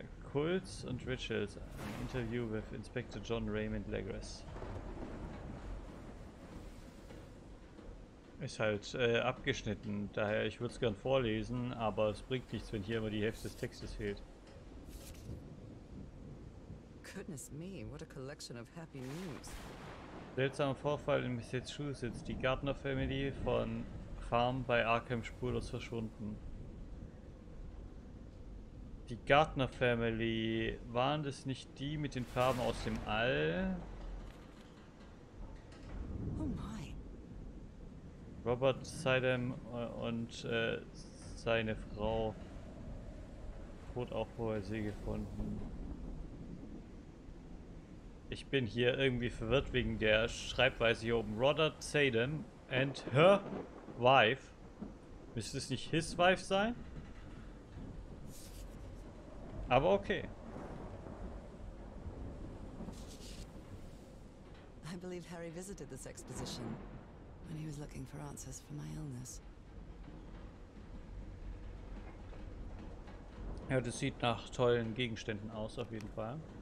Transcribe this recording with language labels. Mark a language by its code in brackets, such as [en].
[en] Cults and Rituals. An Interview with Inspector John Raymond Legress. [de] Ist halt abgeschnitten, daher ich würde es gern vorlesen, aber es bringt nichts, wenn hier immer die Hälfte des Textes fehlt. [en] Goodness me, what a collection of happy news. [de] Seltsamer Vorfall in Massachusetts. Die Gardner Family von Farm bei Arkham spurlos verschwunden. Die Gardner Family, waren das nicht die mit den Farben aus dem All? [en] Oh my. [de] Robert Sidham und seine Frau tot auch vorher sie gefunden. Ich bin hier irgendwie verwirrt wegen der Schreibweise hier oben. [en] Robert Sadem and her wife. [de] Müsste es nicht [en] his wife [de] sein? Aber okay. [en] I believe Harry visited this exposition when he was looking for answers for my illness. [de] Ja, das sieht nach tollen Gegenständen aus, auf jeden Fall.